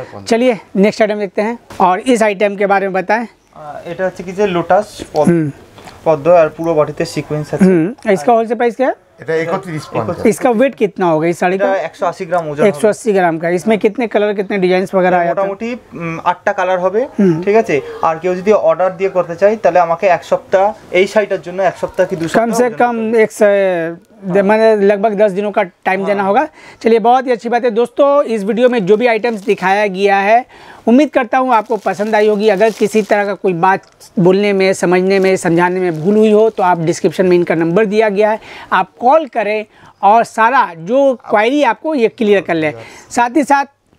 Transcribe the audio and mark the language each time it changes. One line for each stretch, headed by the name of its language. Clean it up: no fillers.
Hindi: चलिए next item देखते हैं। और इस आइटम के बारे में बताएं,
Bangla: এটা হচ্ছে কি যে লোটাস পদ্ম, আর পুরো বডিতে সিকোয়েন্স আছে।
Hindi: इसका होलसेल प्राइस क्या है?
Bangla: এটা 3150।
Hindi: इसका वेट कितना होगा इस साड़ी का?
Bangla: 180 ग्राम ওজন।
Hindi: 180 ग्राम का। इसमें कितने कलर, कितने डिजाइंस वगैरह आया?
Bangla: মোটামুটি 8টা কালার হবে, ঠিক আছে। আর কেউ যদি অর্ডার দিয়ে করতে চায় তাহলে আমাকে এক সপ্তাহ, এই শাড়িটার জন্য এক সপ্তাহ কি দুই সপ্তাহ,
Hindi: কম সে কম এক मैंने लगभग 10 दिनों का टाइम देना होगा। चलिए बहुत ही अच्छी बात है दोस्तों। इस वीडियो में जो भी आइटम्स दिखाया गया है, उम्मीद करता हूँ आपको पसंद आई होगी। अगर किसी तरह का कोई बात बोलने में, समझने में, समझाने में भूल हुई हो तो आप डिस्क्रिप्शन में इनका नंबर दिया गया है, आप कॉल करें और सारा जो क्वायरी आपको ये क्लियर कर लें। साथ ही साथ